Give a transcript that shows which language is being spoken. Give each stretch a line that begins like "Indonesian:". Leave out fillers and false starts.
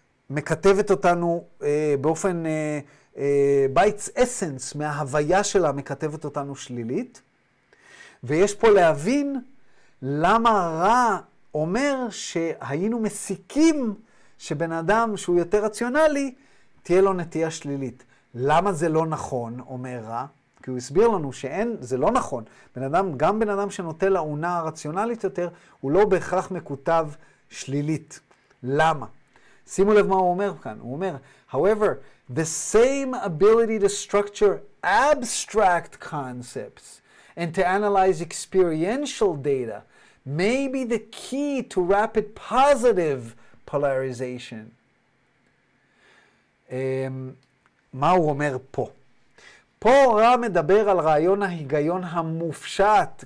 Hebrew: מכתבת אותנו באופן
English: בייטס אסנס,
Hebrew: מההוויה שלה מכתבת אותנו שלילית, ויש פה להבין למה רע אומר שהיינו מסיקים שבן אדם שהוא יותר רציונלי, תהיה לו נטייה שלילית. למה זה לא נכון, אומר רע? כי הוא הסביר לנו שאין, זה לא נכון. בן אדם, גם בן אדם שנוטה לעונה הרציונלית יותר, הוא לא בהכרח מכותב שלילית. למה? שימו לב מה הוא אומר כאן. הוא אומר,
English: however, the same ability to structure abstract concepts and to analyze experiential data may be the key to rapid positive polarization.
Hebrew: מה הוא אומר פה? פה רע מדבר על רעיון ההיגיון המופשט.